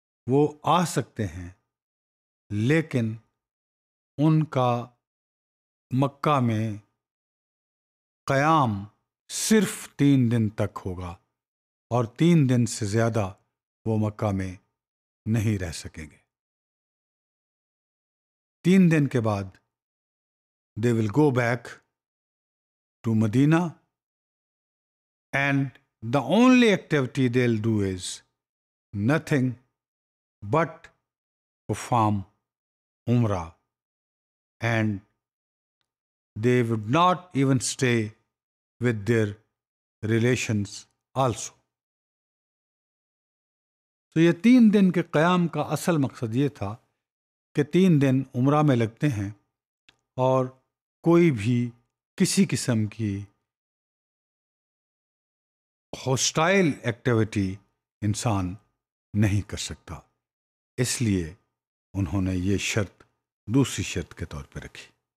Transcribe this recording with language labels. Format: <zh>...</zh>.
<ur>وہ آ سکتے ہیں, لیکن ان کا مکہ میں قیام صرف 3 دن تک ہوگا اور 3 دن سے زیادہ وہ مکہ میں نہیں رہ سکیں گے. 3 دن کے بعد</ur> <en>they will go back to Medina and the only activity they'll do is nothing but perform Umrah and they would not even stay with their relations also.</en> <ur>تو یہ 3 دن کے قیام کا اصل مقصد یہ تھا کہ 3 دن عمرہ میں لگتے ہیں اور کوئی بھی کسی قسم کی</ur> <en>hostile activity</en> <ur>انسان نہیں کر سکتا. اس لیے انہوں نے یہ شرط دوسری شرط کے طور پہ رکھی.</ur>